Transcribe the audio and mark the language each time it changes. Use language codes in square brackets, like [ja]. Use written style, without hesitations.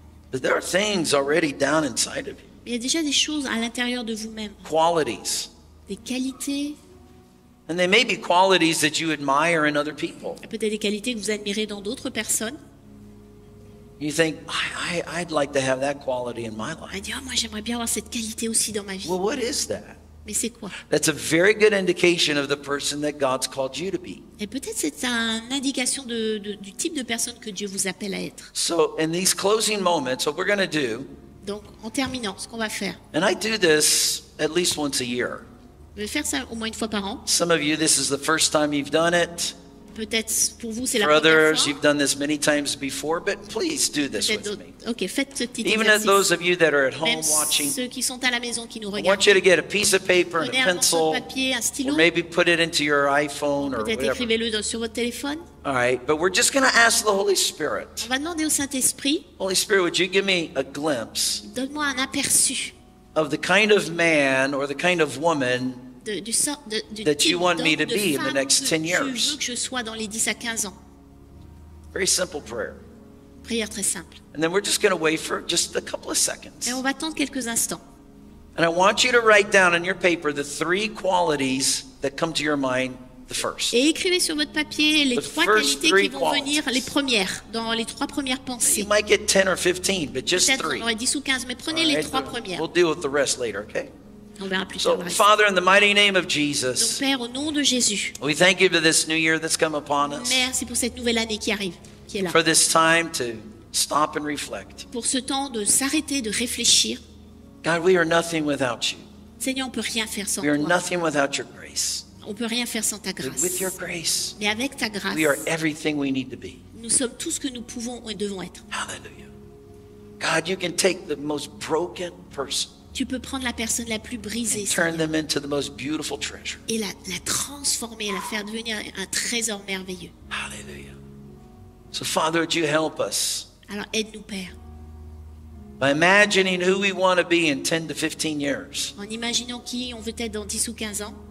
[en] But there are things already down inside of you. [fr] Il y a déjà des choses à l'intérieur de vous-même. [en] Qualities. [fr] Des qualités. [en] And they may be qualities that you admire in other people. [fr] Et peut-être des qualités que vous admirez dans d'autres personnes. [en] You think I'd like to have that quality in my life. [fr] Il dit, oh, moi j'aimerais bien avoir cette qualité aussi dans ma vie. [en] Well, what is that? [fr] Mais c'est quoi? [en] That's a very good indication of the person that God's called you to be. [fr] Et peut-être c'est une indication du type de personne que Dieu vous appelle à être. [en] So in these closing moments, what we're going to do. [fr] Donc en terminant, ce qu'on va faire. [en] And I do this at least once a year. [fr] Je vais faire ça au moins une fois par an. [en] Some of you, this is the first time you've done it. [fr] Peut-être pour vous c'est [en] for [fr] la première [en] others, [fr] fois. [en] For you've done this many times before, but please do this with me. [fr] Okay, faites ce petit exercice. [en] Even those of you that are at home watching, [fr] ceux qui sont à la maison qui nous regardent. [en] I want you to get a piece of paper and a pencil, [fr] papier, un stylo, [en] or maybe put it into your iPhone or whatever. [fr] Peut-être écrivez-le sur votre téléphone. [en] All right, but we're just going to ask the Holy Spirit. [fr] On va demander au Saint-Esprit. [en] Holy Spirit, would you give me a glimpse? [fr] Donne-moi un aperçu. [en] Of the kind of man or the kind of woman. That you want me to be in the next 10 years. [fr] Tu veux que je sois dans les 10 à 15 ans. [en] Very simple prayer. [fr] Prière très simple. [en] And then we're just going to wait for just a couple of seconds. [fr] Et on va attendre quelques instants. [en] And I want you to write down on your paper the three qualities that come to your mind the first. [fr] Et écrivez sur votre papier les trois qualités qui vont venir les premières dans les trois premières pensées. [en] You might get 10 or 15, but just three. [fr] Peut-être 10 ou 15, mais prenez les trois premières. [en] We'll deal with the rest later, okay? So, Father, in the mighty name of Jesus, [fr] donc, Père, au nom de Jésus, [en] we thank you for this new year that's come upon us. [fr] Merci pour cette nouvelle année qui arrive, qui est là. [en] For this time to stop and reflect. [fr] Pour ce temps de s'arrêter, de réfléchir. [en] God, we are nothing without you. [fr] Seigneur, on peut rien faire sans [en] we are [fr] toi. [en] Nothing without your grace. [fr] On peut rien faire sans ta grâce. [en] But with your grace, [fr] mais avec ta grâce, [en] we are everything we need to be. [fr] Nous sommes tout ce que nous pouvons et devons être. Hallelujah. [en] God, you can take the most broken person. [fr] Tu peux prendre la personne la plus brisée [en] and turn them into the most beautiful treasure. [fr] Et la transformer, la faire devenir un trésor merveilleux. [en] Hallelujah. So, Father, would you help us? [fr] Alors, aide-nous, Père. [en] By imagining who we want to be in 10 to 15 years. [fr] En imaginant qui on veut être dans 10 ou 15 ans.